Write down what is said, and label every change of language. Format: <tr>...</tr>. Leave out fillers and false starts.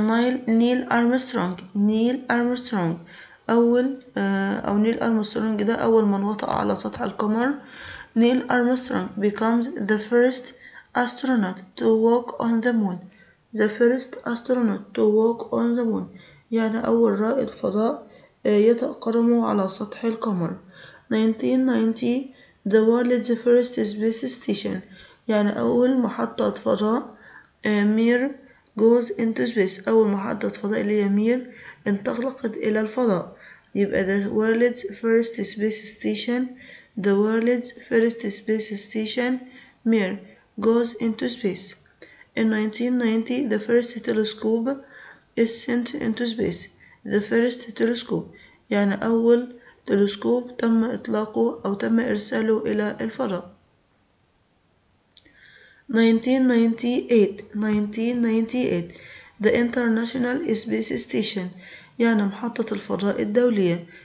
<ar>Neil Armstrong أول أو نيل أرمسترونج ده أول من وطأ على سطح القمر.</ar> <en>Neil Armstrong becomes the first astronaut to walk on the moon. The first astronaut to walk on the moon</en> <ar>يعني أول رائد فضاء يطأ قدمه على سطح القمر. 1990</ar> <en>the world's first space station</en> <ar>يعني أول محطة فضاء مير</ar> <en>goes into space</en> <ar>أول محطة فضاء اللي هي مير انطلقت إلى الفضاء.</ar> <en>يبقى the world's first space station The world's first space station, Mir, goes into space. In 1990, the first telescope is sent into space. The first telescope,</en> <ar>يعني أول تلسكوب تم إطلاقه أو تم إرساله إلى الفضاء.</ar> <en>1998, the International Space Station,</en> <ar>يعني محطة الفضاء الدولية.</ar>